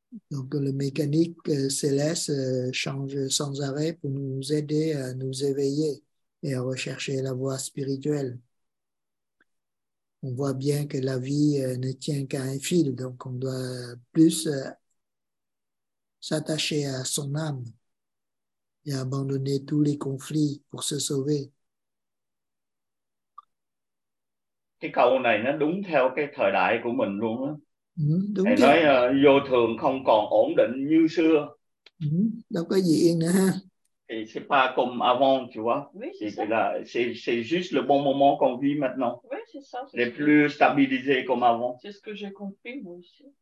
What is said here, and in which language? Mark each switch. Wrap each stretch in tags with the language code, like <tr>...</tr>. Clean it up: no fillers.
<fr>Donc le mécanique céleste change sans arrêt pour nous aider à nous éveiller et à rechercher la voie spirituelle. On voit bien que la vie ne tient qu'à un fil, donc on doit plus s'attacher à son âme et abandonner tous les conflits pour se sauver.</fr> <vi>Cái câu này nó đúng theo cái thời đại của mình luôn á. Đúng chứ. Nói vô thường không còn ổn định như xưa. Đâu có gì yên nữa ha.</vi> <fr>Thì c'est pas comme avant, tu vois. Oui, c'est, c'est juste le bon moment qu'on vit maintenant. Oui, c'est ça. C'est plus stabilisé comme avant. C'est ce que j'ai compris, moi aussi.</fr>